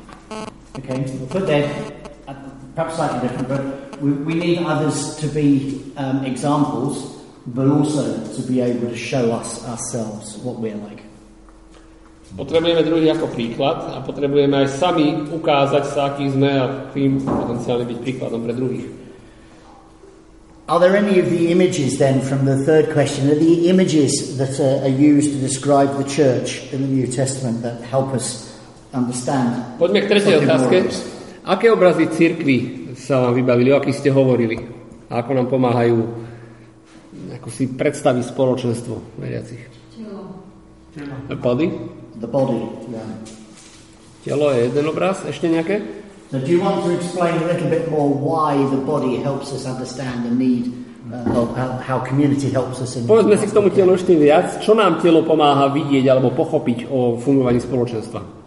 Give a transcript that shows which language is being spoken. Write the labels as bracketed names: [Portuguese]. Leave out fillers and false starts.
[English] Okay, we'll put that perhaps slightly different, but we need others to be examples, but also to be able to show us ourselves what we're like. [Slovak] Potrebujeme druhý ako príklad a potrebujeme aj sami ukázať sa, aký sme a tým potenciálne byť príkladom pre druhých. [English] Are there any of the images then from the third question? Are the images that are used to describe the church in the New Testament that help us understand? [Slovak] Poďme k tretej otázke. Aké obrazy cirkvi sa vám vybavili, o akých ste hovorili? A ako nám pomáhajú ako si predstaviť spoločenstvo veriacich? Telo. [English] A body? The body, yeah. [Slovak] Telo je jeden obraz, ešte nejaké? [English] So do you want to explain a little bit more why the body helps us understand the need of how community helps us in... [Slovak] Povedzme si k tomu telu ešte viac. Čo nám telo pomáha vidieť alebo pochopiť o fungovaní spoločenstva?